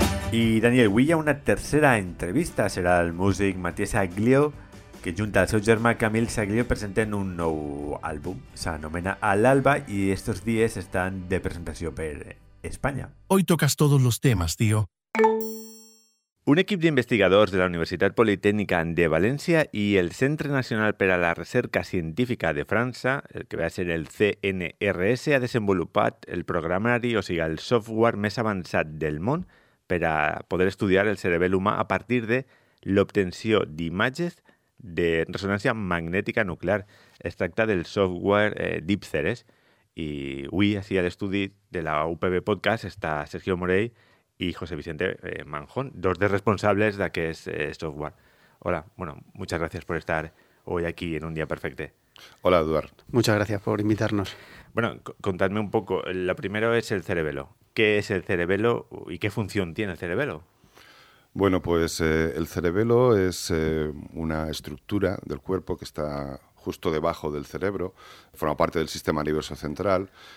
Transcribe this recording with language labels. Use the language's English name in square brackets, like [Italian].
[Catalan] I Daniel, avui hi ha una tercera entrevista. Serà el músic Matías Aglio, que junta al seu germà Camil Saglio presenten un nou àlbum. S'anomena A l'Alba i estos dies estan de presentació per Espanya. [Spanish] Hoy tocas todos los temas, tío. [Catalan] Un equip d'investigadors de la Universitat Politècnica de València i el Centre Nacional per a la Recerca Científica de França, el que va ser el CNRS, ha desenvolupat el programari, o sigui, el software més avançat del món per a poder estudiar el cerebel humà a partir de l'obtenció d'imatges de ressonància magnètica nuclear. Es tracta del software dípteres. I avui, així a l'estudi de la UPB Podcast, està Sergio Morell i José Vicente Manjón, dos dels responsables d'aquest software. [Spanish] Hola, bueno, muchas gracias por estar hoy aquí en Un dia perfecte. Hola, Eduard. Muchas gracias por invitarnos. Bueno, contadme un poco. Lo primero es el cerebelo. ¿Qué es el cerebelo y qué función tiene el cerebelo? Bueno, pues el cerebelo es una estructura del cuerpo que está justo debajo del cerebro, forma parte del sistema nervioso central